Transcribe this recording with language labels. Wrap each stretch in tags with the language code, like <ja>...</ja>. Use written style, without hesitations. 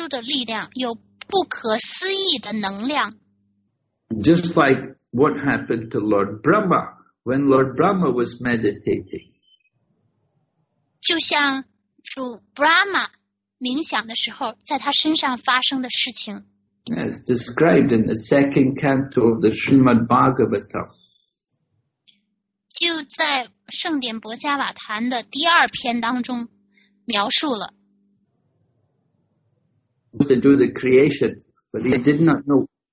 <zh>因为他有特殊的力量，有不可思议的能量。</zh> <en>Just like what happened to Lord Brahma when Lord Brahma was meditating.</en> <zh>就像主 Brahma 冥想的时候，在他身上发生的事情。</zh> <en>It's described in the second canto of the Srimad Bhagavatam.</en> <zh>就在圣典薄伽瓦坛的第二篇当中描述了。</zh> <en>To do the creation, but he did not know.</en>